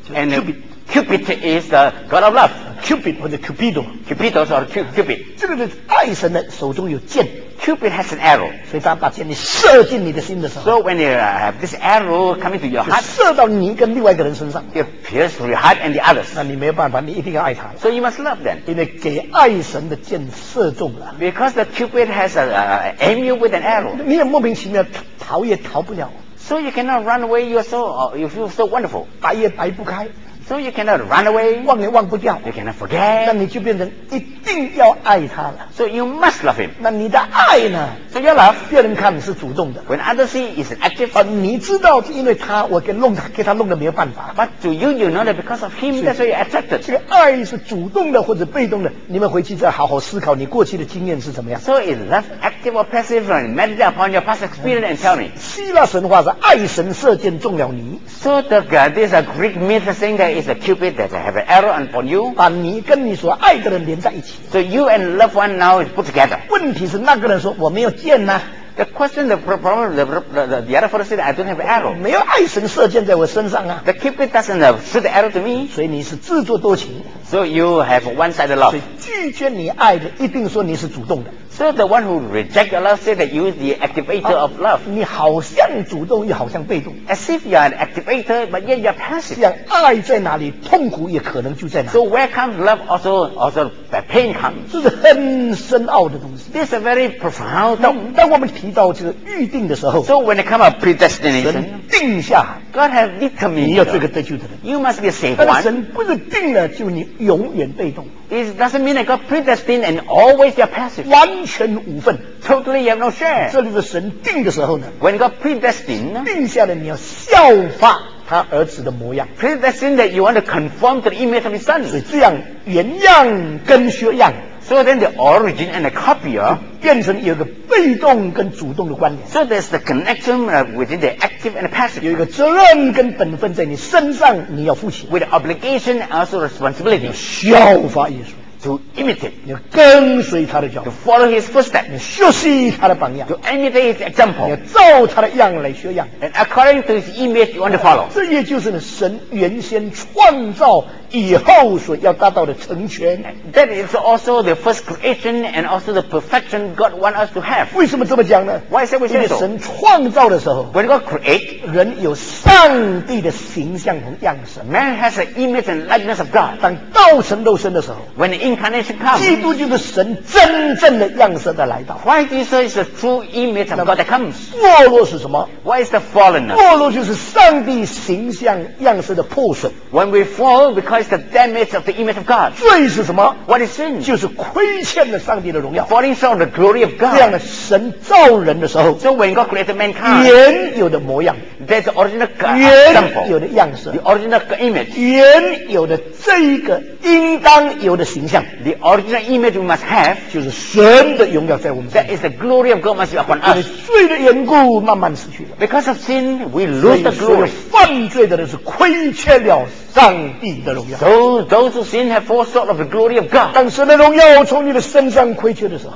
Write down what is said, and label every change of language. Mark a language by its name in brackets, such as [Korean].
[English] And Cupid is the God of love [Chinese] Cupid 或者 Cupido [English] Cupid or Cupid [Chinese] 这个是爱神的手中有剑 [English] Cupid has an arrow [Chinese] 所以当把剑射进你的心的时候 [English] So when you have this arrow coming to your heart [Chinese] 射到你跟另外一个人身上 [English] It pierces through your heart and the others [Chinese] 那你没有办法你一定要爱他 [English] So you must love them [Chinese] 因为给爱神的剑射中了 [English] Because the Cupid has aim you with an arrow [Chinese] 你也莫名其妙逃也逃不了 [English] So you cannot run away you feel so wonderful [Chinese] 白也白不开 [English] So you cannot run away. [Chinese] 忘也忘不掉 [English] You cannot forget. [Chinese] 那你就变成一定要爱他了 [English] So you must love him. [Chinese] 那你的爱呢 [English] So your love. [Chinese] 别人看你是主动的 [English] When others see it's an active. [Chinese] 而你知道是因为他我给他弄得没有办法 [English] But do you know that because of him that's why you're attracted. [Chinese] 这个爱是主动的或者被动的你们回去再好好思考你过去的经验是怎么样 [English] So is love active or passive and meditate upon your past experience and tell me. [Chinese] 希腊神话是爱神射箭中了你 [English] So this Greek myth saying that is a cupid that have an arrow upon you [Chinese] 把你跟你所爱的人连在一起 [English] so you and loved one now is put together [Chinese] 问题是那个人说我没有剑啊 [English] the question, the problem, the other person said, I don't have arrow. [Chinese] 没有爱神射箭在我身上啊。 [English] The Cupid doesn't shoot the arrow to me. [Chinese] 所以你是自作多情。 [English] So you have one-sided love. [Chinese] 所以拒绝你爱的一定说你是主动的。 [English] So the one who reject your love said that you are the activator of love. [Chinese] 你好像主动又好像被动。 [English] As if you are an activator, but yet you are passive. [Chinese] 这样爱在哪里，痛苦也可能就在哪里。 [English] So where comes love, also the pain comes. [Chinese] 这是很深奥的东西。 [English] This is a very profound. [Chinese] 当我们提到这个预定的时候 [English] ，So when it comes up predestination, [Chinese] 神定下 [English] ，God has determined. [Chinese] 你要做个得救的人 [English] ，You must be saved. [Chinese] 但神不是定了就你永远被动。 [English] It doesn't mean that God predestined and always you're passive. [Chinese] 完全无份 [English] Totally you have no share. [Chinese] 这里的神定的时候呢 [English] When God predestined, [Chinese] 定下了你要效法他儿子的模样 [English] Predestined that you want to conform to the image of his son. [Chinese] 所以这样原样跟学样 [English] So then the origin and the copy [Chinese] 变成有一个被动跟主动的关联 [English] So there's the connection within the active and the passive. [Chinese] 有一个责任跟本分在你身上你要负起 [English] With the obligation and also responsibility. [Chinese] 你要效法耶稣 [English] To imitate, [Chinese] 你要跟随他的脚步 [English] To follow his footstep, [Chinese] 你要学习他的榜样 [English] To imitate his example, [Chinese] 你要照他的样来学样 [English] And according to his image, you want to follow. [Chinese] 这也就是呢，神原先创造以后所要达到的成全 [English] That is also the first creation and also the perfection God wants us to have. [Chinese] 为什么这么讲呢 [English] ？Why say we say so? [Chinese] 因为神创造的时候 [English] ，When God create, [Chinese] 人有上帝的形象和样式 [English] Man has the image and likeness of God. [Chinese] 当道成肉身的时候 [English] ，When incarnation comes, [Chinese] 基督就是神真正的样式的来到。 [English] Why Jesus is the true image of God that comes? [Chinese] 堕落是什么 [English] ？Why is the fallenness? [Chinese] 堕落就是上帝形象样式的破损。 [English] When we fall, we Because the damage of the image of God. [Chinese] 罪是什么 [English] ？What is sin? [Chinese] 就是亏欠了上帝的荣耀。 [English] Falling short of the glory of God. [Chinese] 这样的神造人的时候 [English] ，So when God created mankind, [Chinese] 原有的模样 [English] ，That's the original example. [Chinese] 原有的样式 [English] ，The original image. [Chinese] 原有的这一个应当有的形象 [English] ，The original image we must have. [Chinese] 就是神的荣耀在我们身上。 [English] That is the glory of God must be upon us. [Chinese] 因为罪的缘故，慢慢失去了。 [English] Because of sin, we lose the glory. [Chinese] 犯罪的人是亏欠了。上帝的荣耀 [English] Those who sin have fallen short of the glory of God [Chinese] 当神的荣耀从你的身上亏缺的时候